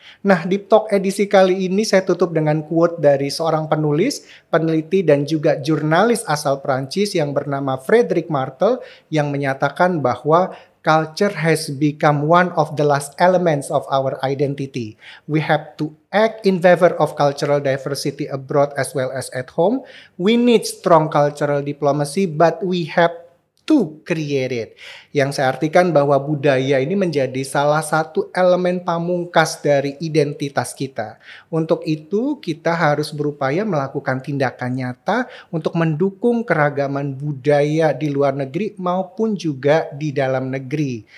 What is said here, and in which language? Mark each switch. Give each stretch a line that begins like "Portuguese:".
Indonesian: Nah, Deep Talk edisi kali ini saya tutup dengan quote dari seorang penulis, peneliti, dan juga jurnalis asal Perancis yang bernama Frederic Martel, yang menyatakan bahwa
English: culture has become one of the last elements of our identity. We have to act in favor of cultural diversity abroad as well as at home. We need strong cultural diplomacy, but we have to create it.
Indonesian: Yang saya artikan bahwa budaya ini menjadi salah satu elemen pamungkas dari identitas kita. Untuk itu, kita harus berupaya melakukan tindakan nyata untuk mendukung keragaman budaya di luar negeri maupun juga di dalam negeri.